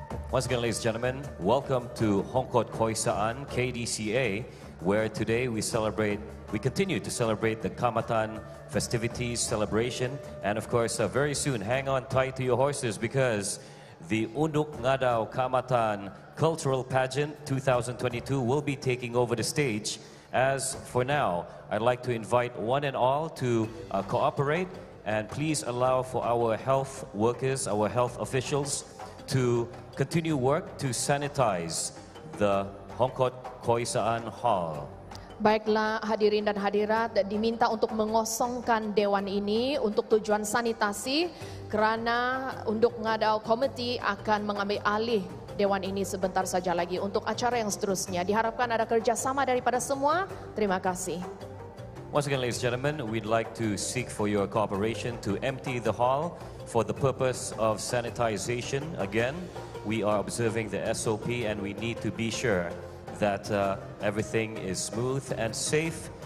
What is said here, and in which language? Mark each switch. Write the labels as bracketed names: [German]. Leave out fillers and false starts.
[English] Once again, ladies and gentlemen, welcome to Hongkot Khoisan KDCA, where today we continue to celebrate the Kaamatan festivities celebration, and of course, very soon, hang on tight to your horses because the Unduk Ngadau Kaamatan Cultural Pageant 2022 will be taking over the stage. As for now, I'd like to invite one and all to cooperate, and please allow for our health workers, our health officials, to continue work to sanitize the Hongkot Khoisan Hall. [Malay] Baiklah hadirin dan hadirat diminta untuk mengosongkan dewan ini untuk tujuan sanitasi kerana Unduk Ngadau Committee akan mengambil alih dewan ini sebentar saja lagi untuk acara yang seterusnya. Diharapkan ada kerjasama daripada semua. Terima kasih. [English] Once again, ladies and gentlemen, we'd like to seek for your cooperation to empty the hall for the purpose of sanitization again. we are observing the SOP and we need to be sure that everything is smooth and safe.